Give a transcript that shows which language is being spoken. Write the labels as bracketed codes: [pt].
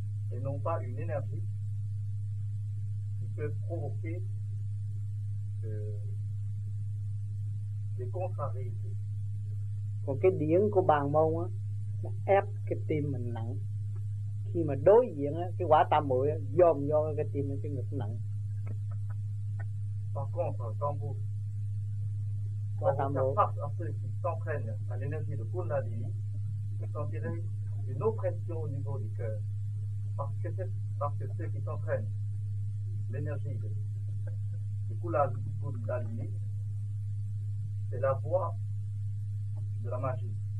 [fr] Et non pas une énergie qui peut provoquer des contrariétés. [vi] Còn cái điện của bàn môn á, nó ép cái tim mình nặng. Khi mà đối diện á, cái quả tam muội dồn vô cái tim mình, cái ngực nặng. [fr] Par contre, quand vous faites face à ceux qui s'entraînent à l'énergie de Kundalini, vous sentirez une oppression au niveau du cœur. Parce que ceux qui s'entraînent l'énergie du Kundalini, c'est la voie de la magie.